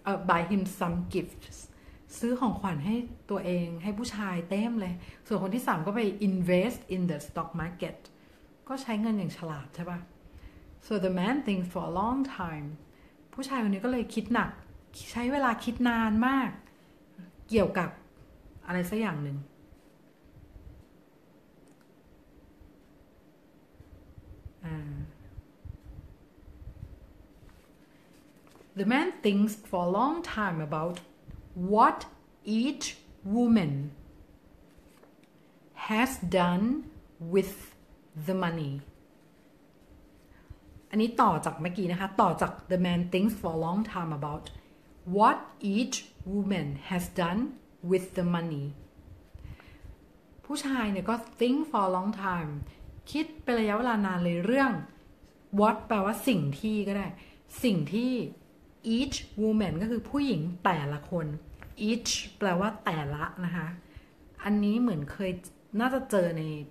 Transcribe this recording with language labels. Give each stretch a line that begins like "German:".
English: buy him some gifts
Thai: ซื้อของขวัญให้ตัวเองให้ผู้ชายเต็มเลยส่วนคนที่สามก็ไป
English: invest in the stock market
Thai: ก็ใช้เงินอย่างฉลาดใช่ปะ
English: so the man thinks for a long time
Thai: ผู้ชายคนนี้ก็เลยคิดหนักใช้เวลาคิดนานมากเกี่ยวกับอะไรสักอย่างหนึ่งอ่า
English: The man thinks for a long time about what each woman has done with the money.
Thai: อันนี้ต่อจากเมื่อกี้นะคะต่อจาก
English: The man thinks for a long time about what each woman has done with the money.
Thai: ผู้ชายเนี่ยก็
English: think for a long time
Thai: คิดเป็นระยะเวลานานเลยเรื่อง what แปลว่าสิ่งที่ก็ได้สิ่งที่
English: Each woman
Thai: ก็คือผู้หญิงแต่ละคน Each แปลว่าแต่ละนะคะอันนี้เหมือนเคยน่าจะเจอใน